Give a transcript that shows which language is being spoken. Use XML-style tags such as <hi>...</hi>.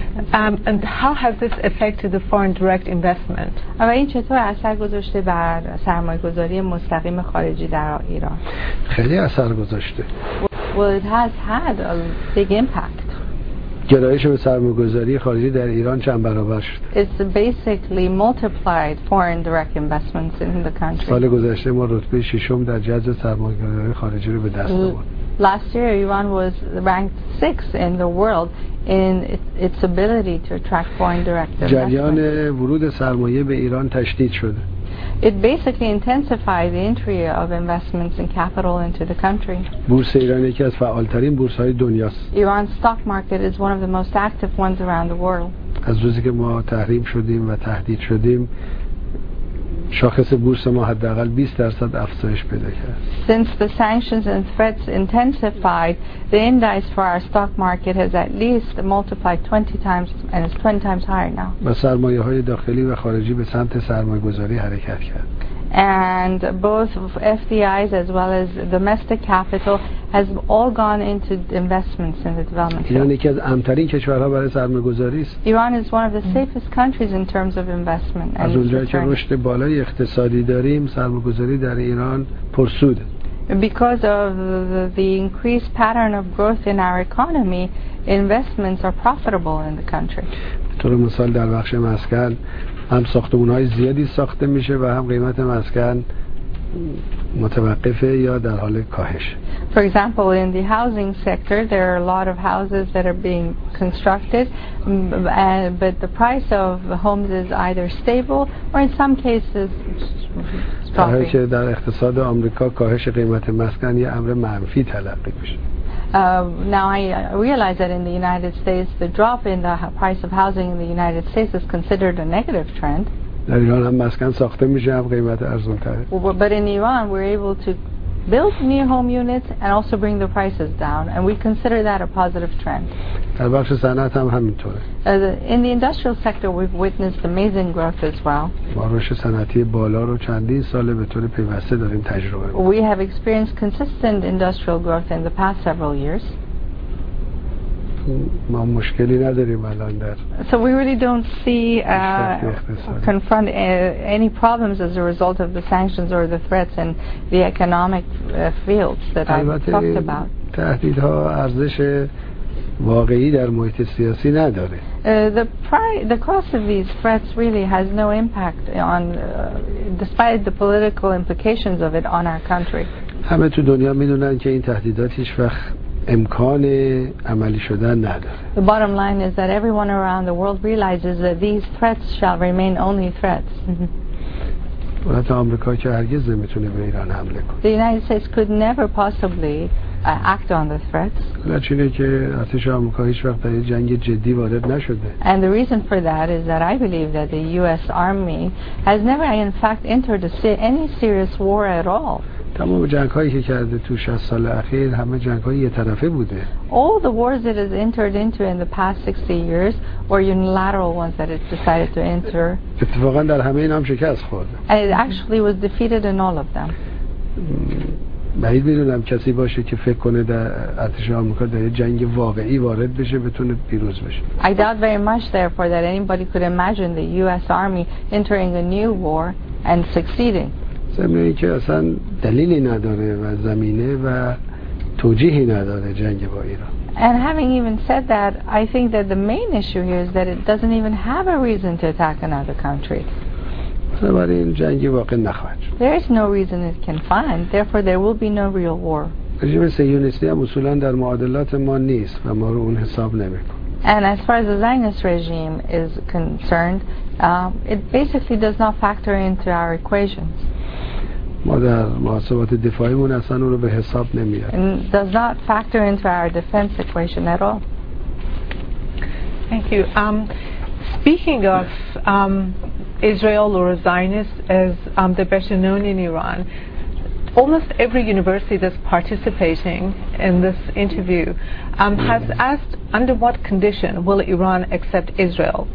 <en>And how has this affected the foreign direct investment?</en> <fa>و این چطور اثر گذاشته بر سرمایه‌گذاری مستقیم خارجی در ایران؟ خیلی اثر گذاشته.</fa> <en>Well, it has had a big impact.</en> <fa>گرایش به سرمایه‌گذاری خارجی در ایران چند برابر شد؟</fa> <en>It's basically multiplied foreign direct investments in the country.</en> <fa>سال گذشته ما رتبه ششم در جذب سرمایه‌گذاری خارجی رو به دست آورد.</fa> <en>Last year, Iran was ranked 6th in the world in its ability to attract foreign direct investment.</en> <fa>جریان ورود سرمایه به ایران تشدید شد.</fa> <en>It basically intensified the entry of investments and capital into the country.</en> <fa>بورس ایران یکی از فعال‌ترین بورس‌های دنیاست.</fa> <en>Iran's stock market is one of the most active ones around the world.</en> <fa>از روزی که ما تحریم شدیم و تهدید شدیم شاخص بورس ما حداقل 20% افزایش پیدا کرد.</fa> <en>Since the sanctions and threats intensified, the index for our stock market has at least multiplied 20 times and is 20 times higher now.</en> <fa>و سرمایه‌های داخلی و خارجی به سمت سرمایه‌گذاری حرکت کرد.</fa> <en>And both FDIs as well as domestic capital has all gone into investments in the development.</en> <fa>ایران یکی از امن‌ترین کشورها برای سرمایه‌گذاری است.</fa> <en>Iran is one of the safest countries in terms of investment.</en> <fa>از اونجایی که رشد بالای اقتصادی داریم، سرمایه‌گذاری در ایران پرسود.</fa> <en>Because of the increased pattern of growth in our economy, investments are profitable in the country.</en> <fa>به طور مثال در بخش مسکن هم ساختمان‌های زیادی ساخته میشه و هم قیمت مسکن متوقفه یا در حال کاهش.</fa> <en>For example, in the housing sector, there are a lot of houses that are being constructed, but the price of homes is either stable or in some cases dropping.</en> <fa>در حالی که در اقتصاد آمریکا کاهش قیمت مسکن یه امر منفی تلقی میشه.</fa> <en>Now I realize that in the United States, the drop in the price of housing in the United States is considered a negative trend.</en> <fa>در ایران هم مسکن ساخته میشه و قیمت ارزون تره.</fa> <en>But in Iran, we're able to build new home units and also bring the prices down, and we consider that a positive trend.</en> <fa>در بخش صنعت هم همینطوره.</fa> <en>In the industrial sector, we've witnessed amazing growth as well.</en> <fa>ما رشد صنعتی بالا رو چندین ساله به طور پیوسته داریم تجربه می‌کنیم.</fa> <en>We have experienced consistent industrial growth in the past several years.</en> <fa>ما مشکلی نداریم الان در.</fa> <en>So we really don't see confront any problems as a result of the sanctions or the threats in the economic fields that I talked about.</en> <fa>تهدیدها ارزش واقعی در محیط سیاسی نداره.</fa> <en>The cost of these threats really has no impact on despite the political implications of it on our country.</en> <fa>همه تو دنیا میدونن که این تهدیدات هیچ وقت امکان عملی شدن نداره.</fa> <en>The bottom line is that everyone around the world realizes that these threats shall remain only threats.</en> <fa>ولایت آمریکا که هرگز نمیتونه به ایران حمله کنه.</fa> <en>The United States could never possibly act on the threats.</en> <fa>چرا که ارتش آمریکا هیچ وقت در جنگ جدی وارد نشده.</fa> <en>And the reason for that is that I believe that the US Army has never in fact entered any serious war at all.</en> <fa>تمام جنگ هایی که کرده تو 60 سال اخیر همه جنگ های یه طرفه بوده.</fa> <en>All the wars it has entered into in the past 60 years were unilateral ones that it decided to enter.</en> <fa>اتفاقا در همه این هم شکست خورد.</fa> <en>And it actually was defeated in all of them.</en> <fa>بعید میدونم کسی باشه که فکر کنه در ارتش آمریکا در جنگ واقعی وارد بشه بتونه پیروز بشه.</fa> <en>I doubt very much therefore that anybody could imagine the US Army entering a new war and succeeding.</en> <fa>زمینه ای که اصلا دلیلی نداره و زمینه و توجیهی نداره جنگ با ایران.</fa> <en>And having even said that, I think that the main issue here is that it doesn't even have a reason to attack another country.</en> <fa>برای این جنگی واقع نخواهد شد.</fa> <en>There is no reason it can find, therefore there will be no real war.</en> <fa>رژیم صهیونیستی هم اصولا در معادلات ما نیست و ما رو اون حساب نمی کن.</fa> <en>And as far as the Zionist regime is concerned, it basically does not factor into our equations.</en> <fa>ما در محاسبات دفاعیمون اصلا اون رو به حساب نمیاد.</fa> <en>And does not factor into our defense equation at all. Thank you. Speaking of Israel or Zionists, as they're better known in Iran, almost every university that's participating in this interview has asked under what condition will Iran accept Israel?</en>